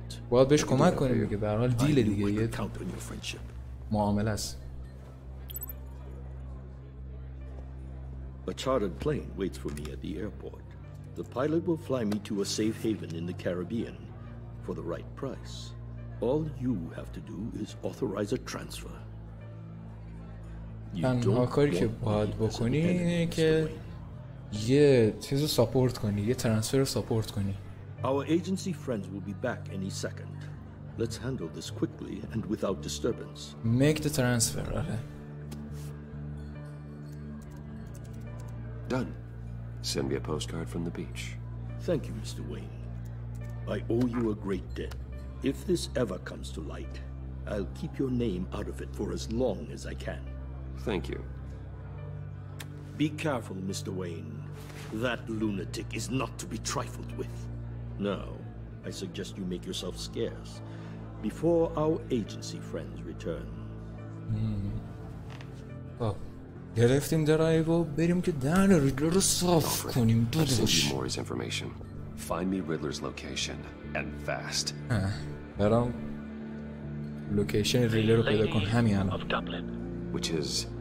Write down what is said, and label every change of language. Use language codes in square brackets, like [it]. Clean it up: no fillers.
[fa] باید بهش کمک کنیم که به هر حال دیل دیگه یه معامله است. [en] A chartered plane waits for me at the airport. The pilot will fly me to a safe haven in the Caribbean for the right price. All you have to do is authorize a transfer. [fa] تنها کاری که باید بکنی اینه که یه چیزو ساپورت کنی، یه ترانسفر رو ساپورت کنی. [en] Our agency friends will be back any second. Let's handle this quickly and without disturbance. Make the transfer. Done. Send me a postcard from the beach. Thank you, Mr. Wayne. I owe you a great debt. If this ever comes to light, I'll keep your name out of it for as long as I can. Thank you. Be careful, Mr. Wayne. That lunatic is not to be trifled with. Now, I suggest you make yourself scarce before our agency friends return. Oh. [fa] گرفتیم درایو و بریم که دهن ریدلر رو صاف کنیم. دوش [en] find me Riddler's location and fast. [fa] برام لوکیشن ریدلر رو پیدا کن همین الان. [en] Which is